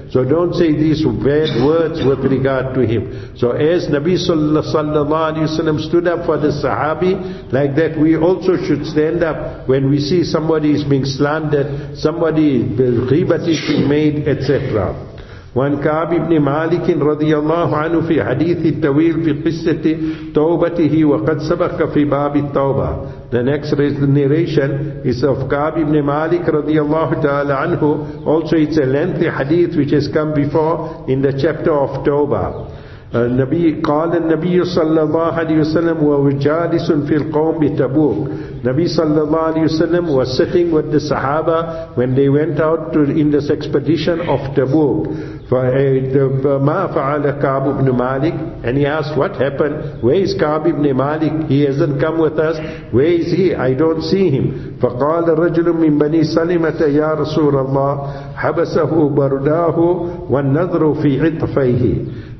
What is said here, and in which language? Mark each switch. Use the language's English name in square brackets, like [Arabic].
[English] So don't say these bad words with regard to him. So as Nabi sallallahu alayhi wa sallam stood up for the sahabi, like that we also should stand up when we see somebody is being slandered, somebody ghibat is being made, etc. [Arabic] وعن كعب بن مالك رضي الله عنه في حديث الطويل في قصة توبته وقد سبق في باب التوبة. [English] The next narration is of Ka'b ibn Malik radiyallahu ta'ala anhu. Also it's a lengthy hadith which has come before in the chapter of Tawbah. [Arabic] النبي قال النبي صلى الله عليه وسلم وهو جالس في القوم بتبوك. [English] Nabi sallallahu alayhi wa sallam was sitting with the Sahaba when they went out to in this expedition of Tabuk. [Arabic] فَمَا فَعَلَ كَعْبُ بْنُ مَالِكِ. [English] And he asked, what happened? Where is كَعْبُ بْنُ مَالِكِ? He hasn't come with us. Where is he? I don't see him. [Arabic] فَقَالَ رَجْلٌ مِّن بَنِي سَلِمَةَ يَا رَسُولَ اللَّهِ حَبَسَهُ بَرْدَاهُ وَالنَّظْرُ فِي عِطْفَيْهِ.